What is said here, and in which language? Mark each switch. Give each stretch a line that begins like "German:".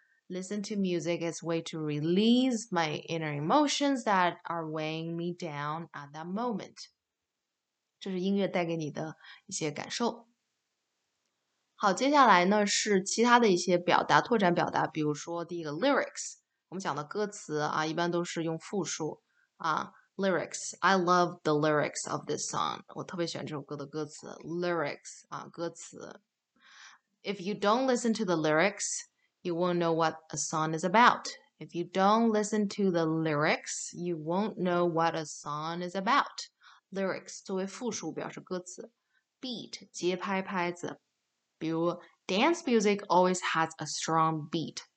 English: Listen to music as a way to release my inner emotions that are weighing me down at that moment.
Chinese: 这是音乐带给你的一些感受。好，接下来呢是其他的一些表达，拓展表达。比如说第一个 lyrics，我们讲的歌词啊，一般都是用复数啊。
English: Lyrics，I love the lyrics of this song。
Chinese: 我特别喜欢这首歌的歌词。
English: Lyrics 啊，歌词。If you don't listen to the lyrics。 You won't know what a song is about. If you don't listen to the lyrics, you won't know what a song is about.
Chinese: Lyrics 作为复数表示歌词，beat 节拍拍子。
English: 比如，dance music always has a strong beat.